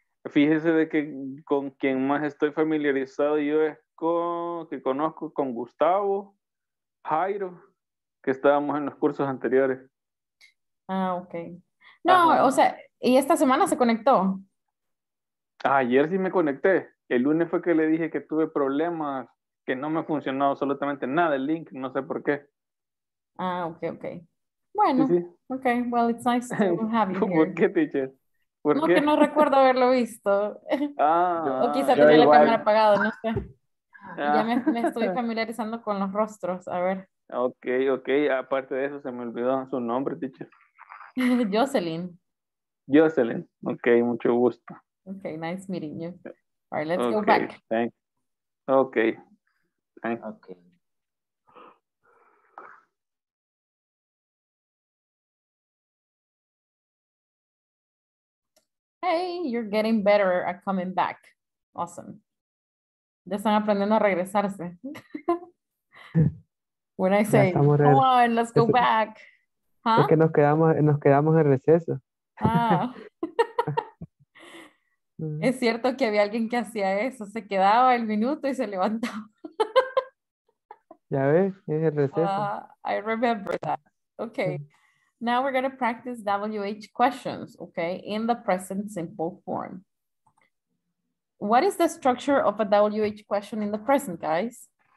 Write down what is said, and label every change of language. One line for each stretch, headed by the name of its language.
Spanish: Fíjese de que con quien más estoy familiarizado yo es con Gustavo, Jairo, que estábamos en los cursos anteriores. Ah, ok. No, ajá. O sea, ¿y esta semana se conectó? Ayer sí me conecté. El lunes fue que le dije que tuve problemas, que no me funcionó absolutamente nada el link, no sé por qué. Ah, ok, ok. Bueno, sí.
English: Ok, well, it's nice to have you here.
Spanish: ¿Por qué, teacher? ¿Por no, qué? Que no recuerdo haberlo visto. Ah, o quizá tenía la cámara apagada, no sé. Ah. Ya me estoy familiarizando con los rostros, a ver. Ok, ok, aparte de eso se me olvidó su nombre, teacher. Jocelyn. Jocelyn, ok, mucho gusto.
English: Ok, nice meeting you. All right, let's go back. Thanks. Okay. Thanks. Okay. Hey, you're getting better at coming back. Awesome.
Spanish: Ya están aprendiendo a regresarse.
English: When I say, come on, let's go back.
Spanish: Huh? Es que nos quedamos en receso. Ah. Es cierto que había alguien que hacía eso, se quedaba el minuto y se levantaba. Ya ves, es el receso.
English: I remember that. Okay, now we're going to practice WH questions, okay, in the present simple form. What is the structure of a WH question in the present, guys?